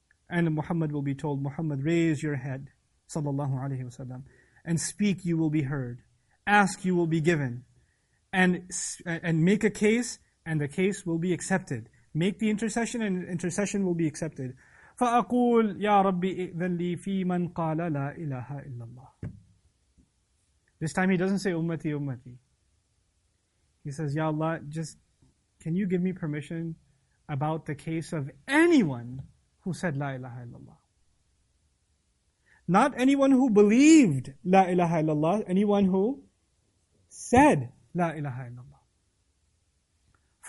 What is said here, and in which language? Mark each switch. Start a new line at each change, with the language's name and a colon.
English: And Muhammad will be told, Muhammad, raise your head, sallallahu alayhi wa sallam, and speak, you will be heard. Ask, you will be given. And make a case, and the case will be accepted. Make the intercession, and intercession will be accepted.
Arabic: فأقول يا ربي إذن لي في من قال لا إله إلا الله.
English: This time he doesn't say ummati, ummati. He says, Ya Allah, just can you give me permission about the case of anyone who said la ilaha illallah? Not anyone who believed la ilaha illallah, anyone who said la ilaha illallah.